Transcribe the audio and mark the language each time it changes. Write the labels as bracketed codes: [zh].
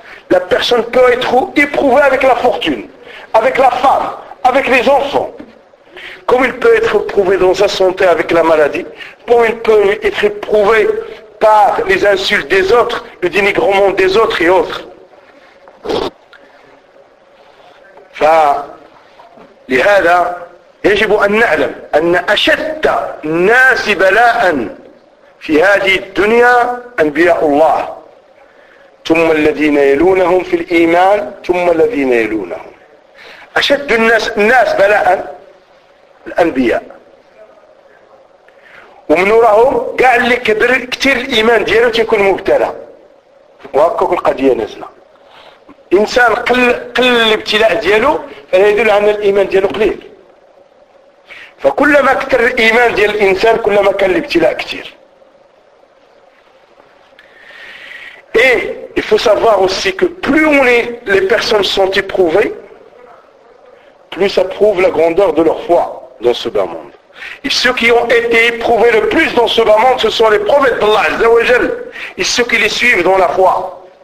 [fr] La personne peut être éprouvée avec la fortune, avec la femme, avec les enfants. Comme il peut être éprouvé dans sa santé avec la maladie, comme il peut être éprouvé par les insultes des autres, le dénigrement des autres et autres. [ar] لهذا يجب أن نعلم أن أشد الناس بلاء في هذه الدنيا أنبياء الله ثم الذين يلونهم في الإيمان ثم الذين يلونهم. أشد الناس بلاء الأنبياء ومن وراهم كاع اللي كبر كثير الايمان ديالو تيكون مبتلى. وهكاك القضيه نازله. انسان قل الابتلاء ديالو فهذا يدل على ان الايمان ديالو قليل. فكلما كثر الايمان ديال الانسان كلما كان الابتلاء كثير. [fr] Et il faut savoir aussi que plus on est, les personnes sont éprouvées, plus ça prouve la grandeur de leur foi dans ce bas monde. Et ceux qui ont été éprouvés le plus dans ce bas monde, ce sont les prophètes d'Allah, Azza wa Jal, et ceux qui les suivent dans la foi.